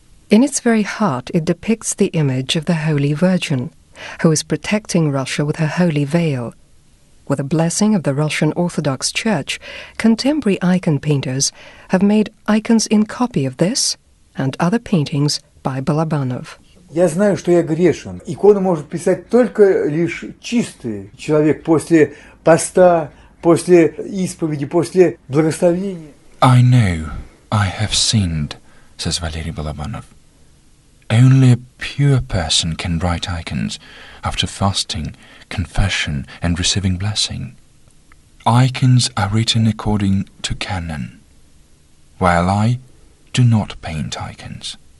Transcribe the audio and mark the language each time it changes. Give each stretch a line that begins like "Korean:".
English: In its very heart, it depicts the image of the Holy Virgin, who is protecting Russia with her holy veil. With the blessing of the Russian Orthodox Church, contemporary icon painters have made icons in copy of this and other paintings by Balabanov.
Russian: Я знаю, что я грешен. Икону может писать только лишь чистый человек после поста, после исповеди, после благословения.
English: I know I have sinned, says Valery Balabanov. Only a pure person can write icons after fasting, confession, and receiving blessing. Icons are written according to canon, while I do not paint icons.